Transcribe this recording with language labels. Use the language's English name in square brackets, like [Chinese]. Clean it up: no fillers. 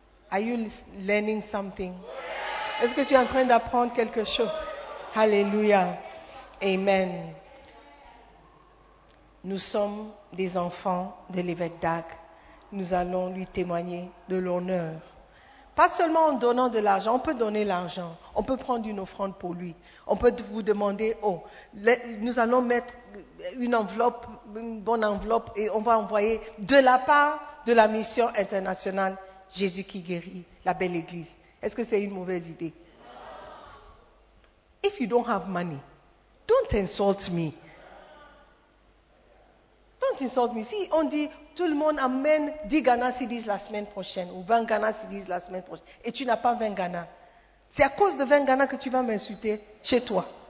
[English] Are you learning something? [French] Est-ce que tu es en train d'apprendre quelque chose? Alléluia. Amen. Nous sommes des enfants de l'évêque Dag. Nous allons lui témoigner de l'honneur. Pas seulement en donnant de l'argent. On peut donner l'argent. On peut prendre une offrande pour lui. On peut vous demander, oh, nous allons mettre une enveloppe, une bonne enveloppe, et on va envoyer de la part de la mission internationale Jésus qui guérit la belle église. Est-ce que c'est une mauvaise idée? [English] If you don't have money, don't insult me. Don't insult me. [French] Si on dit, tout le monde amène 10 Ghana cedis la semaine prochaine, ou 20 Ghana cedis la semaine prochaine, et tu n'as pas 20 Ghana, c'est à cause de 20 Ghana que tu vas m'insulter chez toi.